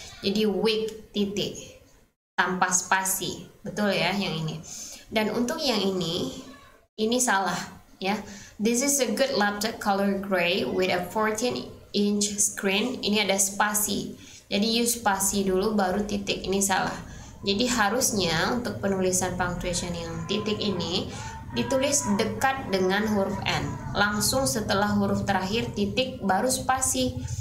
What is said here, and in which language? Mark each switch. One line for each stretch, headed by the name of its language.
Indonesian: Jadi week titik tanpa spasi, betul ya yang ini. Dan untuk yang ini salah ya.
English: This is a good laptop color gray with a 14-inch screen.
Indonesian: Ini ada spasi. Jadi use spasi dulu baru titik, ini salah. Jadi harusnya untuk penulisan punctuation yang titik ini ditulis dekat dengan huruf N, langsung setelah huruf terakhir titik baru spasi.